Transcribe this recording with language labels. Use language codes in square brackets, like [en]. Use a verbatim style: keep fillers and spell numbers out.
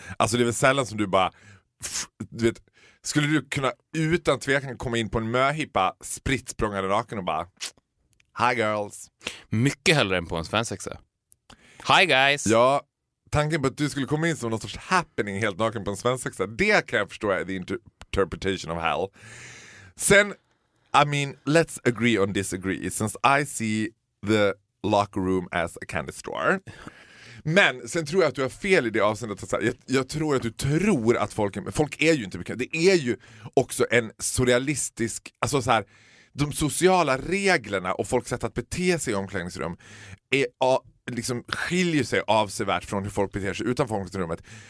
[sv] Alltså det är väl sällan som du bara... f- Du vet, skulle du kunna utan tvekan komma in på en möhippa, spritt språngande naken och bara... [en] Hi girls. [sv] Mycket hellre än på en svensexa. [en] Hi guys! [sv] Ja, tanken på att du skulle komma in som någon sorts happening helt naken på en svensexa, det kan jag förstå är [en] the interpretation of hell. Sen, I mean, let's agree on disagree, since I see the locker room as a candy store. [sv] Men sen tror jag att du har fel i det avseendet. Jag, jag tror att du tror att folk är, folk är ju inte bekanta. Det är ju också en surrealistisk, alltså så här, de sociala reglerna och folks sätt att bete sig i omklädningsrum är, liksom, skiljer sig avsevärt från hur folk beter sig utanför omklädningsrummet.